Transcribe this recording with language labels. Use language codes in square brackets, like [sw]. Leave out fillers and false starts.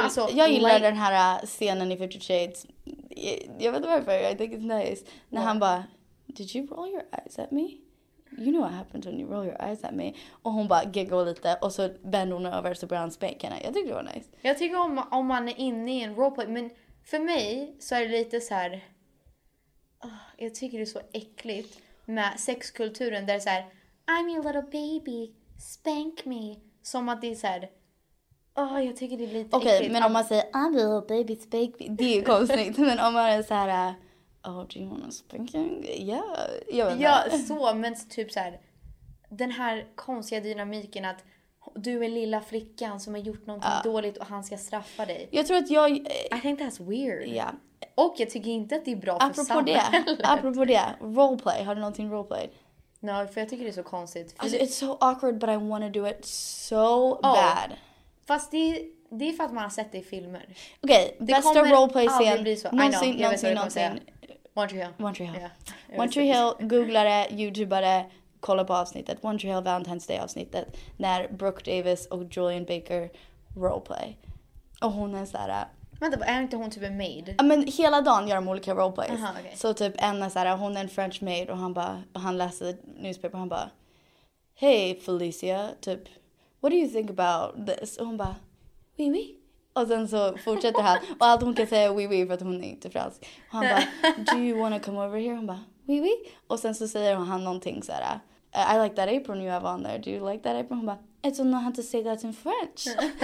[sv] Jag gillar den här scenen i 50 Shades. Jag vet inte varför, [en] I think it's nice. [sv] När han bara, [en] did you roll your eyes at me? You know what happens when you roll your eyes at me. [sv] Och hon bara giggle lite. Och så vänder hon över så brann spänkarna. Jag tycker det var nice. Jag tycker om man är inne i en roleplay. Men för mig så är det lite så här. Jag tycker det är så äckligt. Med sexkulturen där det är så här. [en] I'm your little baby. Spank me. [sv] Som att det är så här. Jag tycker det är lite äckligt. Okej, men om man säger [en] I'm your little baby. Spank me. [sv] Det är ju konstigt. Men om man är så här. [en] Oh, do you want to spank him? Yeah. [sv] Ja, så, men typ så här, den här konstiga dynamiken att du är lilla flickan som har gjort någonting dåligt och han ska straffa dig. Jag tror att jag... [en] I think that's weird. Yeah. [sv] Och jag tycker inte att det är bra apropå det, roleplay. Har du någonting roleplay? No, för jag tycker det är så konstigt. [en] It's so awkward, but I want to do it so bad. [sv] Fast det är för att man har sett det i filmer. Okej, okay, bästa roleplay scen. Det blir så. Någonsin. One Tree Hill, googla det, youtubea det, kolla på avsnittet. One Tree Hill Valentine's Day-avsnittet. När Brooke Davis och Julian Baker roleplay. Och hon är såhär... Vänta, är inte hon typ en maid? Ja, men hela dagen gör de olika roleplays. Uh-huh, okay. Så typ en är såhär, hon är en French maid och han läser newspaper och han bara... [en] Hey Felicia, typ, what do you think about this? [sv] Och hon bara, [fr] oui, oui. [sv] Och sen så fortsätter han. Och allt hon kan säga wee wee för att hon är inte fransk. Och han bara, [en] do you want to come over here? [sv] Hon bara, wee wee. Och sen så säger han någonting så här. [en] I like that apron you have on there. Do you like that apron? [sv] Hon bara, [en] I don't know how to say that in French.